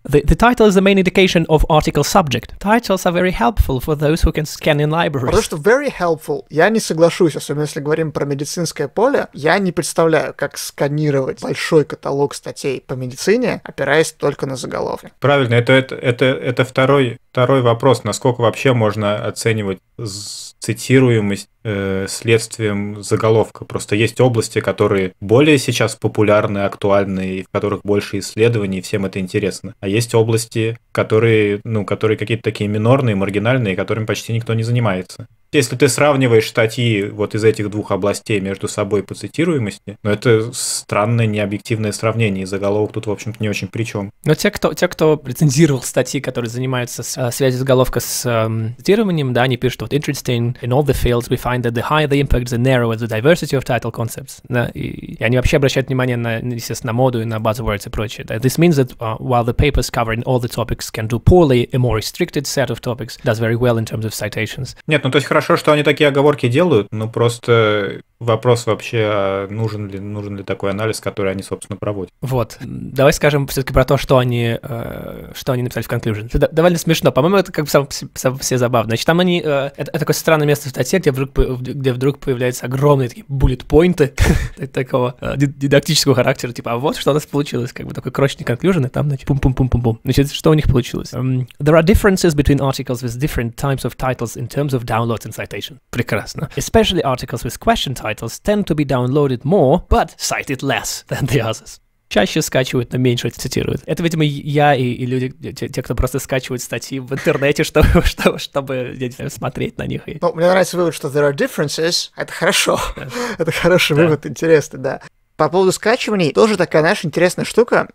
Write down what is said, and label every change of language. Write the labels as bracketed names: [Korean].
[English] The title is the main indication of article subject. Titles are very helpful for those who can scan in libraries. [Russian] Потому что [English] very helpful, [Russian] я не соглашусь, особенно если говорим про медицинское поле, я не представляю, как сканировать большой каталог статей по медицине, опираясь только на заголовки. Правильно, это второй вопрос, насколько вообще можно оценивать цитируемость следствием заголовка. Просто есть области, которые более сейчас популярны, актуальны, и в которых больше исследований, и всем это интересно. А есть области, которые, ну, которые какие-то такие минорные, маргинальные, которыми почти никто не занимается. Если ты сравниваешь статьи вот из этих двух областей между собой по цитируемости, ну, это странное, необъективное сравнение, и заголовок тут, в общем-то, не очень при чем. Но те, кто рецензировал статьи, которые занимаются связью заголовка с цитированием, да, они пишут, вот, [English] interesting, in all the fields we find that the higher the impact, the narrower the diversity of title concepts, [Russian] да, и они вообще обращают внимание на, естественно, на моду и на buzzwords и прочее, да. [English] This means that while the papers covering all the topics can do poorly, a more restricted set of topics does very well in terms of citations. [Russian] Нет, ну, то есть, хорошо, хорошо, что они такие оговорки делают, но просто вопрос вообще, а нужен ли такой анализ, который они, собственно, проводят. Вот. Давай скажем все-таки про то, что они написали в conclusion. Это довольно смешно. По-моему, это как бы сам все забавно. Значит, там они... это такое странное место в статье, где вдруг появляются огромные такие bullet-поинты такого дидактического характера. Типа, а вот что у нас получилось. Как бы такой крошечный conclusion, и там, значит, пум-пум-пум-пум-пум. Значит, что у них получилось? [English] There are differences between articles with different types of titles in terms of downloads and citation. [Russian] Прекрасно. [English] Especially articles with question titles tend to be downloaded more, but cited less than the others. [Russian] Чаще скачивают, но меньше цитируют. Это, видимо, я и люди, те, кто просто скачивают статьи в интернете, чтобы я не знаю, смотреть на них. Ну, мне нравится вывод, что [English] there are differences. [Russian] Это хорошо. [English] Yeah. [Russian] Это хороший вывод, интересный, да. По поводу скачиваний, тоже такая, знаешь, интересная штука.